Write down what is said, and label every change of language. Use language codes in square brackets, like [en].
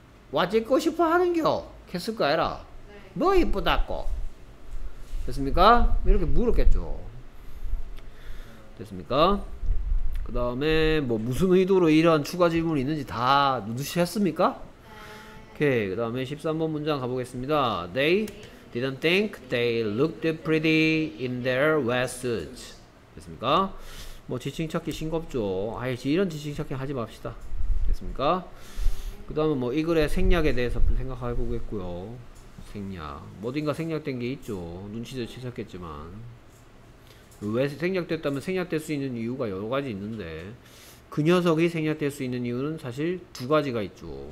[ko] 와 찍고 싶어 하는겨 했을 거 아니라 네. 뭐 이쁘다고 됐습니까? 이렇게 물었겠죠. 됐습니까? 그 다음에 뭐 무슨 의도로 이런 추가 질문이 있는지 다 누누시 했습니까? 오케이. 그 다음에 13번 문장 가보겠습니다. [en] They didn't think they looked pretty in their wet suits. [ko] 됐습니까? 뭐 지칭 찾기 싱겁죠. 아예 이런 지칭 찾기 하지 맙시다. 됐습니까? 그 다음에 뭐 이 글의 생략에 대해서 생각해 보겠고요. 생략. 어딘가 생략된 게 있죠. 눈치도 채셨겠지만. 왜 생략됐다면 생략될 수 있는 이유가 여러 가지 있는데 그 녀석이 생략될 수 있는 이유는 사실 두 가지가 있죠.